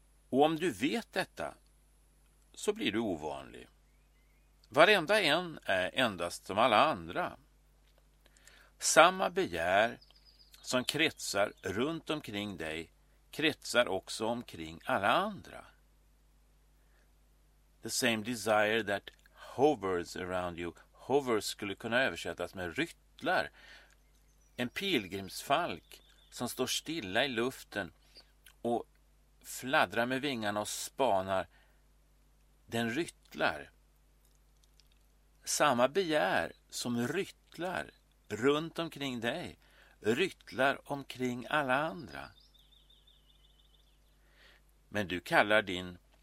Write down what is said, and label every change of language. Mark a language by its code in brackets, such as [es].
[sv] Och om du vet detta så blir du ovanlig. Varenda en är endast som alla andra. Samma begär som kretsar runt omkring dig kretsar också omkring alla andra. [en] The same desire that hovers around you. [sv] Hovers skulle kunna översättas med ryttlar. En pilgrimsfalk som står stilla i luften och fladdrar med vingarna och spanar. Den ryttlar. Samma begär som ryttlar runt omkring dig, ryttlar omkring alla andra. Men du kallar din